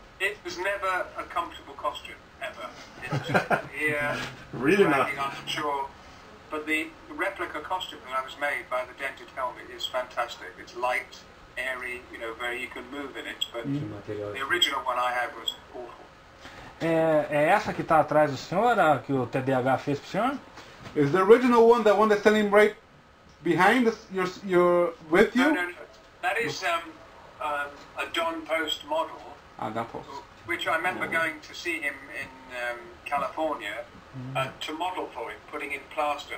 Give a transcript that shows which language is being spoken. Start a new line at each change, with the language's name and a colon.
English: It was never a comfortable costume, ever. It's just here... Really not. I'm sure. But the replica costume that was made by the dented helmet is fantastic. It's light, airy, you know, very you can move in it, but the original one I had was awful.
Portuguese: É essa que está atrás do senhor, que o TDAH fez pro senhor?
English: Is the original one, the one that's standing right behind us, your with you? No. That is a Don Post model. Ah, Don Post. Which I remember going to see him in California to model for him, putting in plaster.